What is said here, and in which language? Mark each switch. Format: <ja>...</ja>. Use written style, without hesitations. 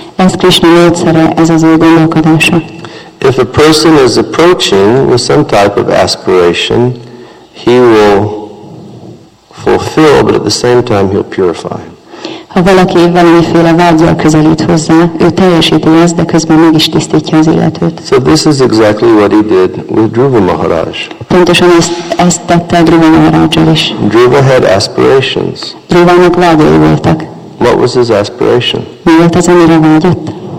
<hu>Ez Krishna módszere, ez az ő gondolkodása.</hu> <en>If a person is approaching with some type of aspiration, he will fulfill, but at the same time he'll purify.</en> <hu>Ha valaki valamiféle vágyal közelít hozzá, ő teljesíti ezt, de közben mégis tisztítja az illetőt.</hu> <en>So this is exactly what he did with Dhruva Maharaj.</en> <hu>Pontosan ezt tette Dhruva Maharajjal is.</hu> <en>Dhruva had aspirations.</en> <hu>Dhruvának vágyai voltak.</hu> <en>What was his aspiration?</en> <hu>Mi volt az, amire vágyott?</hu>